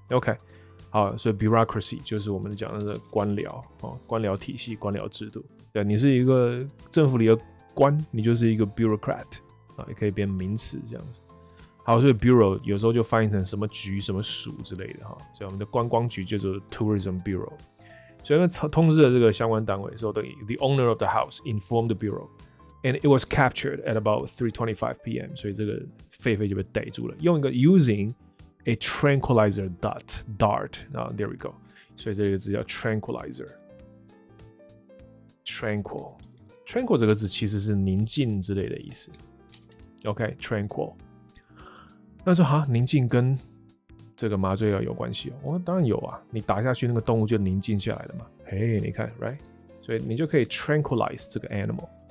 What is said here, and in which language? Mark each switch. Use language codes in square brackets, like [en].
[zh] OK， 好，所以 bureaucracy 就是我们讲的官僚、哦、官僚体系、官僚制度。对，你是一个政府里的官，你就是一个 bureaucrat、啊、也可以变名词这样子。好，所以 bureau 有时候就翻译成什么局、什么署之类的、哦、所以我们的观光局叫做 tourism bureau。所以他们通知了这个相关单位，说等于 [en] the owner of the house informed the bureau， and it was captured at about 3:25 p.m. [zh] 所以这个狒狒就被逮住了，用一个 using。 [en] A tranquilizer dart. Now there we go. So this word is tranquilizer. Tranquil. [zh] Tranquil 这个字其实是宁静之类的意思。 [en] OK, tranquil. [zh] 那说哈，宁静跟这个麻醉药有关系哦？我当然有啊。你打下去，那个动物就宁静下来了嘛。嘿，你看 ，right? 所以你就可以 tranquilize 这个 animal.